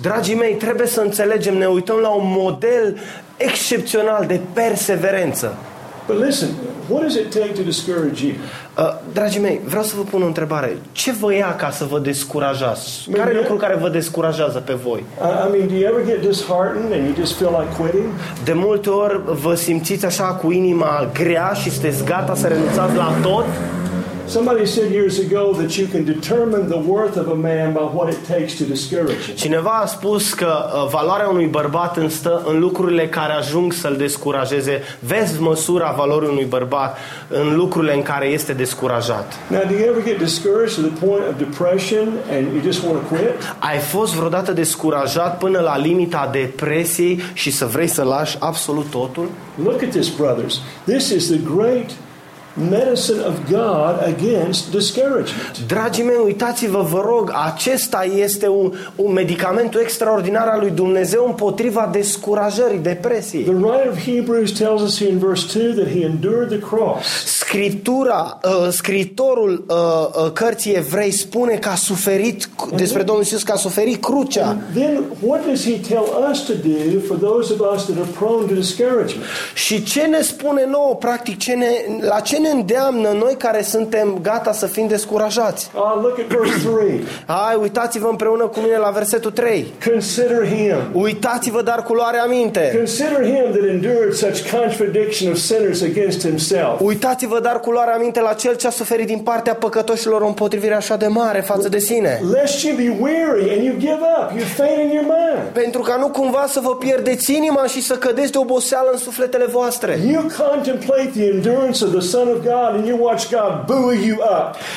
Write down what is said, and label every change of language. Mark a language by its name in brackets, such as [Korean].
[Romanian] Dragii mei, trebuie să înțelegem, ne uităm la un model excepțional de perseverență. [English] But listen, What does it take to discourage you? [Romanian] Dragii mei, vreau să vă pun o întrebare. Ce vă ia ca să vă descurajați? Care e lucrul care vă descurajează pe voi? [English] I mean, do you ever get disheartened and you just feel like quitting? [Romanian] De multe ori vă simțiți așa cu inima grea și sunteți gata să renunțați la tot? [English] Somebody said years ago that you can determine the worth of a man by what it takes to discourage him. [Romanian] Cineva a spus că valoarea unui bărbat stă în lucrurile care ajung să-l descurajeze. Vezi măsura valorii unui bărbat în lucrurile în care este descurajat. [English] Now, do you ever get discouraged to the point of depression and you just want to quit? [Romanian] Ai fost vreodată descurajat până la limita depresiei și să vrei să lași absolut totul? [English] Look at this, brothers. This is the great medicine of God against discouragement. [Romanian] Dragii mei, uitați-vă, vă rog, acesta este un medicament extraordinar al lui Dumnezeu împotriva descurajării, depresiei. [English] The writer of Hebrews tells us in verse 2 that he endured the cross. [Romanian] Scriptura, scriitorul cărții Evrei spune că a suferit despre Domnul Iisus, că a suferit crucea. [English] Then what does he tell us to do for those of us that are prone to discouragement? [Romanian] Și ce ne spune nouă, practic, ce ne îndeamnă noi care suntem gata să fim descurajați? [English] Look at verse 3. [Romanian] Hai, uitați-vă împreună cu mine la versetul 3. [English] Consider him. [Romanian] Uitați-vă, dar cu luare aminte. [English] Consider him that endured such contradiction of sinners against himself. [Romanian] Uitați-vă, dar cu luare aminte la cel ce a suferit din partea păcătoșilor o împotrivire așa de mare față de sine. [English] Lest you be weary and you give up, you faint in your mind. [Romanian] Pentru ca nu cumva să vă pierdeți inima și să cădeți de oboseală în sufletele voastre. [English] You contemplate the endurance of the Son of God and you watch God buoy you up.